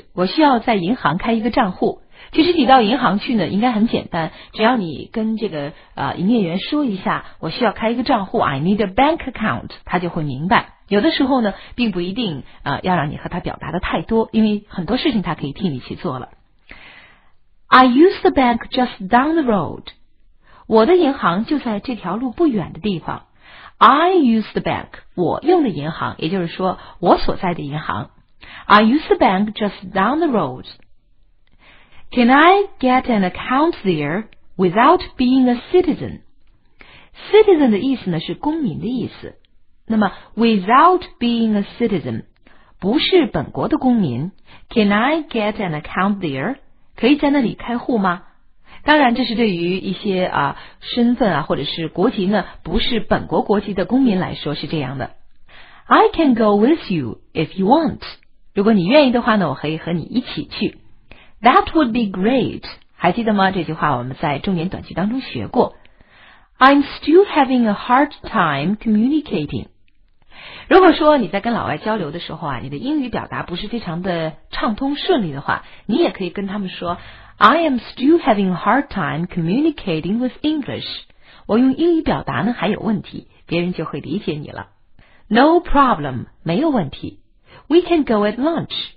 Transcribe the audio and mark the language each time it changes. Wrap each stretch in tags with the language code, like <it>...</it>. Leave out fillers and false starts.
<zh>我需要在银行开一个账户。其实你到银行去呢应该很简单，只要你跟这个营业员说一下，我需要开一个账户，</zh> <en>I need a bank account，</en> <zh>他就会明白。有的时候呢并不一定要让你和他表达的太多，因为很多事情他可以替你去做了。</zh> <en>I use the bank just down the road.</en> <zh>我的银行就在这条路不远的地方。</zh> <en>I use the bank，</en> <zh>我用的银行，也就是说我所在的银行。</zh> <en>I use the bank just down the road. Can I get an account there without being a citizen?</en> <zh>Citizen 的意思呢是公民的意思。</zh> <en>那么 without being a citizen</en> <zh>不是本国的公民，</zh> <en>Can I get an account there?</en> <zh>可以在那里开户吗？当然这是对于一些身份或者是国籍呢不是本国国籍的公民来说是这样的。</zh> <en>I can go with you if you want.</en> <zh>如果你愿意的话呢，我可以和你一起去。</zh> <en>That would be great.</en> <zh>还记得吗？这句话我们在重点短句当中学过。</zh> <en>I'm still having a hard time communicating.</en> <zh>如果说你在跟老外交流的时候啊，你的英语表达不是非常的畅通顺利的话，你也可以跟他们说</zh> <en>I am still having a hard time communicating with English.</en> <zh>我用英语表达呢还有问题，别人就会理解你了。</zh> <en>No problem.</en> <zh>没有问题。</zh> <en>We can go at lunch.</en>